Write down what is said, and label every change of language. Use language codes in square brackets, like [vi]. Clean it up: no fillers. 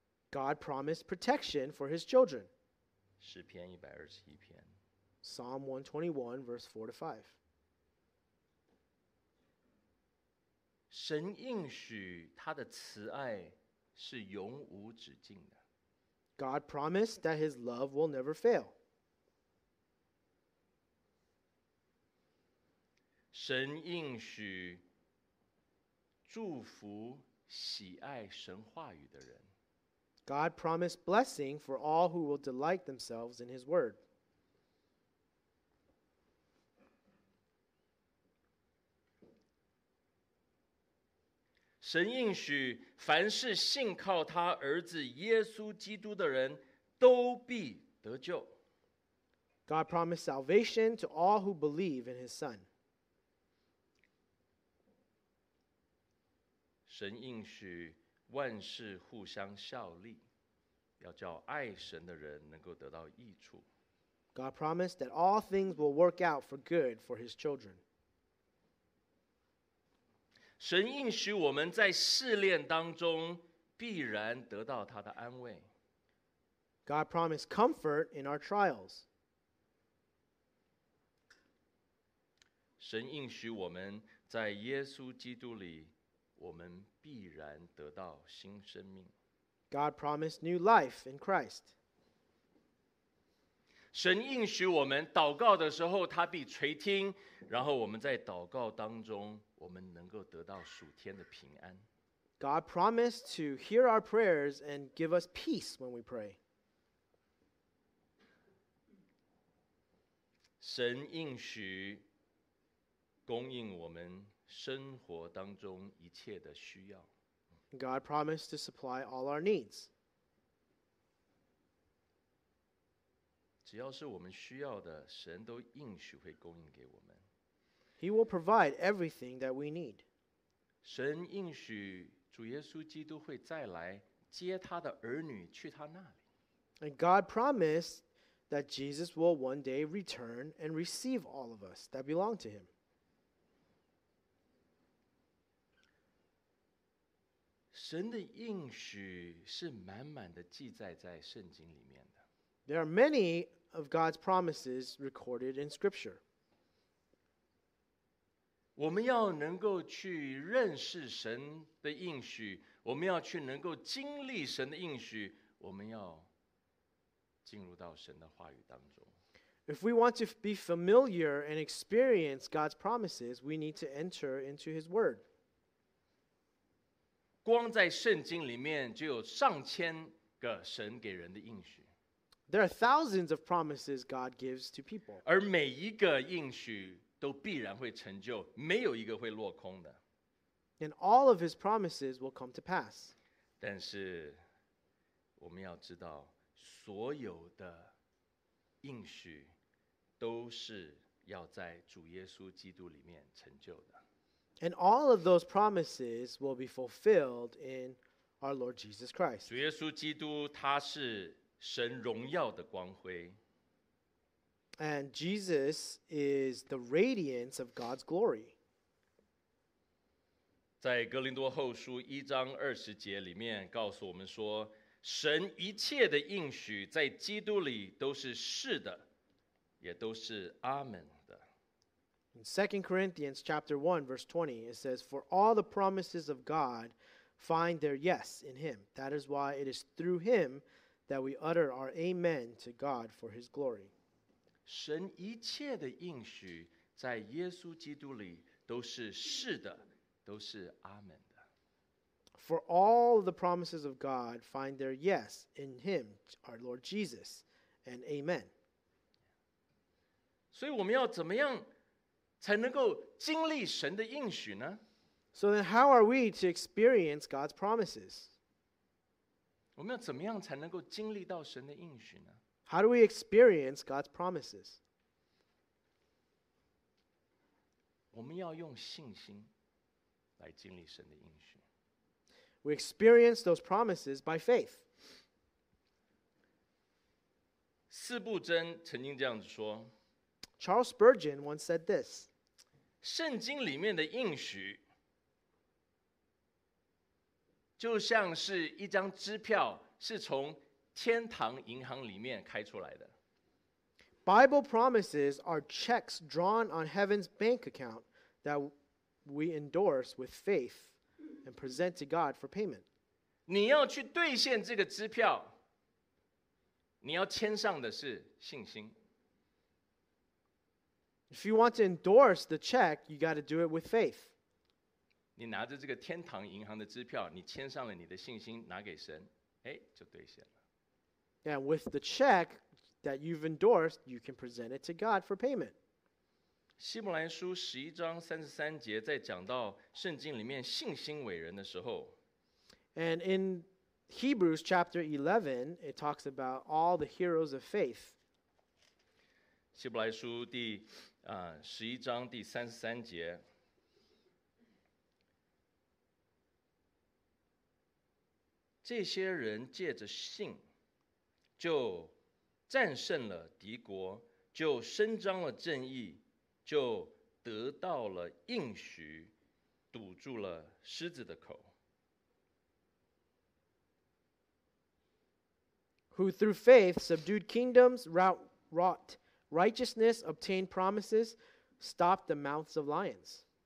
[en] God promised protection for his children. [zh] 诗篇一百二十一篇。 [en] Psalm 121, verse 4 to 5. [zh] 神应许他的慈爱是永无止境的。 [en] God promised that his love will never fail. [zh] 神应许祝福喜爱神话语的人。 [en] God promised blessing for all who will delight themselves in his word. [zh] 神应许凡是信靠他儿子耶稣基督的人都必得救。 [en] God promised salvation to all who believe in his son. [zh] 神应许万事互相效力，要叫爱神的人能够得到益处。 [en] God promised that all things will work out for good for his children. [zh] 神应许我们在试炼当中必然得到他的安慰。 [en] God promised comfort in our trials. [zh] 神应许我们在耶稣基督里，我们必然得到新生命。 [en] God promised new life in Christ. [zh] 神应许我们祷告的时候，他必垂听，然后我们在祷告当中我们能够得到属天的平安。 [en] God promised to hear our prayers and give us peace when we pray. [zh] 神应许供应我们生活当中一切的需要。 [en] God promised to supply all our needs. [zh] 只要是我们需要的，神都应许会供应给我们。 [en] He will provide everything that we need. [zh] 神应许主耶稣基督会再来接他的儿女去他那里。 [en] And God promised that Jesus will one day return and receive all of us that belong to him. [zh] 神的应许是满满的记载在圣经里面的。 [en] There are many of God's promises recorded in Scripture. [zh] 我们要能够去认识神的应许，我们要去能够经历神的应许，我们要进入到神的话语当中。 [en] If we want to be familiar and experience God's promises, we need to enter into His Word. [zh] 光在圣经里面就有上千个神给人的应许。 [en] There are thousands of promises God gives to people. [zh] 而每一个应许都必然会成就，没有一个会落空的。 [en] And all of his promises will come to pass. [zh] 但是我们要知道，所有的应许都是要在主耶稣基督里面成就的。 [en] And all of those promises will be fulfilled in our Lord Jesus Christ. [zh] 主耶稣基督他是神荣耀的光辉。 [en] And Jesus is the radiance of God's glory. [zh] 在哥林多后书一章二十节里面告诉我们说，神一切的应许在基督里都是是的，也都是阿们。 [en] In 2 Corinthians chapter 1, verse 20, it says, For all the promises of God find their yes in Him. That is why it is through Him that we utter our amen to God for His glory. [zh] 神一切的应许在耶稣基督里都是是的，都是阿们的。 [en] For all the promises of God find their yes in Him, our Lord Jesus, and amen. [zh] 所以我们要怎么样才能够经历神的应许呢？ [en] So then how are we to experience God's promises? [zh] 我们要怎么样才能够经历到神的应许呢？ [en] How do we experience God's promises? [zh] 我们要用信心来经历神的应许。 [en] We experience those promises by faith. [zh] 四部真曾经这样子说。 [en] Charles Spurgeon once said this, [zh] 圣经里面的应许就像是一张支票，是从天堂银行里面开出来的。 [en] Bible promises are checks drawn on heaven's bank account that we endorse with faith and present to God for payment. [zh] 你要去兑现这个支票，你要签上的是信心。 [en] If you want to endorse the check, you got to do it with faith. [zh] 你拿着这个天堂银行的支票，你签上了你的信心，拿给神，哎，就兑现了。 [en] Yeah, with the check that you've endorsed, you can present it to God for payment. [zh] 希伯来书十一章三十三节在讲到圣经里面信心伟人的时候 [en] ，And in Hebrews chapter 11, it talks about all the heroes of faith. [zh] 希伯来书第十一章第三十三节，这些人借着信，就战胜了敌国，就伸张了正义，就得到了应许，堵住了狮子的口。 [en] Who through faith subdued kingdoms, wrought righteousness, obtained promises, stopped the mouths of lions.